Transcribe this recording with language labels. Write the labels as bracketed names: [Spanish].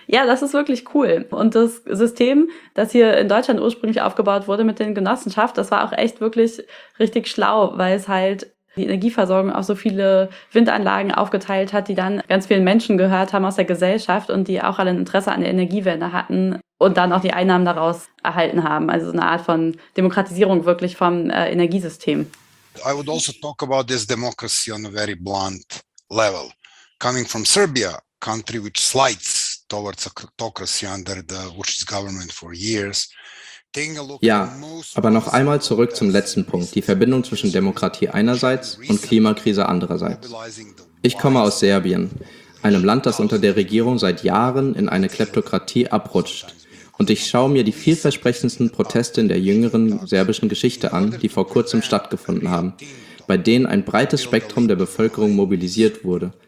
[German] Ja, das ist wirklich cool. Und das System, das hier in Deutschland ursprünglich aufgebaut wurde mit den Genossenschaften, das war auch echt wirklich richtig schlau, weil es halt die Energieversorgung auf so viele Windanlagen aufgeteilt hat, die dann ganz vielen Menschen gehört haben aus der Gesellschaft und die auch alle ein Interesse an der Energiewende hatten und dann auch die Einnahmen daraus erhalten haben. Also so eine Art von Demokratisierung wirklich vom Energiesystem. [English] I would also talk about this democracy on a very blunt level. Coming from Serbia, country which slides towards autocracy under the Vučić government for years. [German] Ja, aber noch einmal zurück zum letzten Punkt, die Verbindung zwischen Demokratie einerseits und Klimakrise andererseits. Ich komme aus Serbien, einem Land, das unter der Regierung seit Jahren in eine Kleptokratie abrutscht. Und ich schaue mir die vielversprechendsten Proteste in der jüngeren serbischen Geschichte an, die vor kurzem stattgefunden haben, bei denen ein breites Spektrum der Bevölkerung mobilisiert wurde.